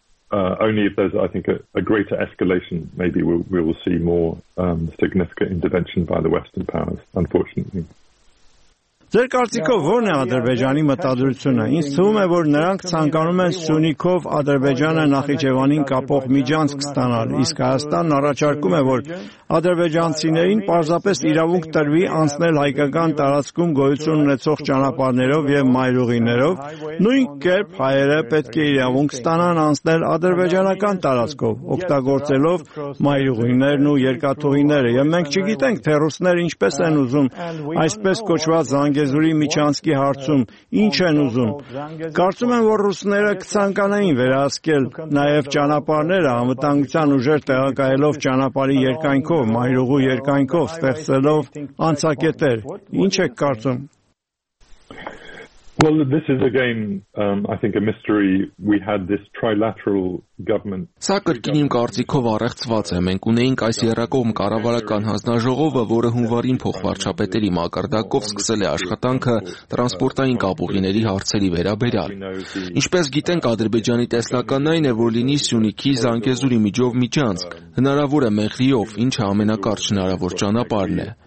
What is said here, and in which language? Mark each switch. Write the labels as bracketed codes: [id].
[en] Only if there's, I think, a greater escalation, maybe we will see more significant intervention by the Western powers, unfortunately. [hy] Ձեր կարծիքով ո՞րն է Ադրբեջանի մտադրությունը։ Ինձ թվում է, որ նրանք ցանկանում են Սյունիքով Ադրբեջանը Նախիջևանին կապող միջանցք ստանալ, իսկ Հայաստանն առաջարկում է, որ ադրբեջանցիներին պարզապես իրավունք տրվի անցնել հայկական տարածքում գոյություն ունեցող ճանապարհներով և մայրուղիներով, նույն կերպ հայերը պետք է իրավունք ստանան անցնել ադրբեջանական տարածքով, օգտագործելով մայրուղիներն ու երկաթուղիները։ Եվ մենք չգիտենք, թե ռուսները ինչպես են ուզում այսպես կոչված Զանգեզուրի միջանցքի հարցում ինչ են ուզում։ Կարծում եմ, որ ռուսները կցանկանային վերահսկել նաև ճանապարհները, անվտանգության ուժեր տեղակայելով ճանապարհի երկայնքով, մայրուղու երկայնքով, ստեղծելով անցակետեր։ Ինչ եք կարծում։ [en] Well, this is again, I think, a mystery. We had this trilateral government. [hy] Սա կրկին իմ կարծիքով առեղծված է։ Մենք ունեինք այս երկկողմ կառավարական հանձնաժողովը, որը հունվարին փոխվարչապետերի մակարդակով սկսել է աշխատանքը տրանսպորտային կապուղիների հարցերի վերաբերյալ։ Ինչպես գիտենք, Ադրբեջանի տեսլականն այն է, որ լինի Սյունիքի Զանգեզուրի միջով միջանցք, հնարավոր է մեղրիով, ինչը ամենակարճ հնարավոր ճանապարհն է։